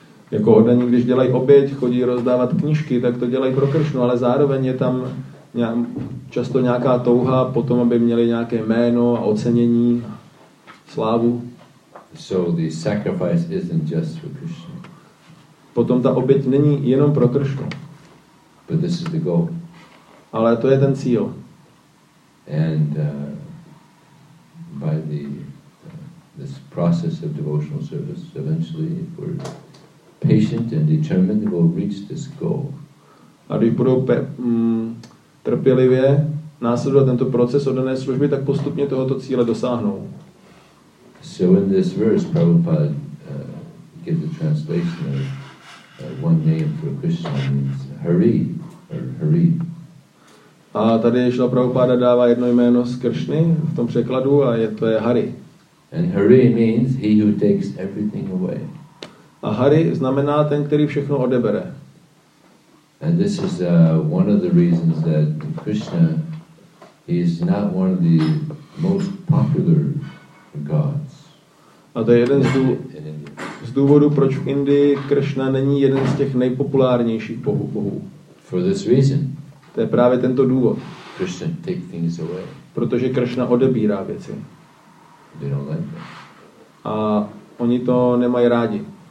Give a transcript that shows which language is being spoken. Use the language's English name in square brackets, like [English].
[Czech] Jako oddaní, když dělají oběť, chodí rozdávat knížky, tak to dělají pro Krishnu, ale zároveň je tam často nějaká touha potom, aby měli nějaké jméno a ocenění, slávu. [English] So the sacrifice isn't just for Krishna. [Czech] Potom ta oběť není jenom pro Krishnu. [English] But this is the goal. [Czech] Ale to je ten cíl. [English] And by this process of devotional service, eventually if we're patient and determined, we'll reach this goal. [Czech] A když budou trpělivě následovat tento proces oddané služby, tak postupně tohoto cíle dosáhnou. [English] So in this verse, Prabhupada gives a translation of one name for Krishna, means Hari, or Hari. [Czech] A tady Šila Prabhupada dává jedno jméno z Kršny v tom překladu a to je Hari. [English] And Hari means he who takes everything away. [Czech] A Hari znamená ten, který všechno odebere. [English] And this is one of the reasons that Krishna, he is not one of the most popular gods. [Czech] A to je jeden z důvodů, proč v Indii Krishna není jeden z těch nejpopulárnějších bohů. [English] For this reason. [Czech] To je právě tento důvod. [English] Krishna takes things away. [Czech] Protože Krishna odebírá věci. [English] They don't like that. [Czech] A oni to nemají rádi.